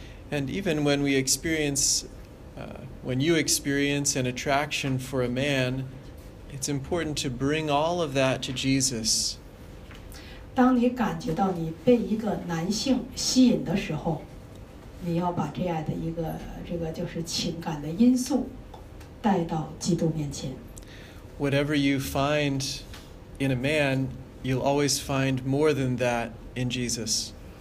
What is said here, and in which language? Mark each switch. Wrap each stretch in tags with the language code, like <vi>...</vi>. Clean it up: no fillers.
<en>And even when we experience, when you experience an attraction for a man, it's important to bring all of that to Jesus.</en> <zh>当你感觉到你被一个男性吸引的时候。你要把这样的一个情感的因素带到基督面前。</zh> <en>Whatever you find in a man, you'll always find more than that in Jesus.</en>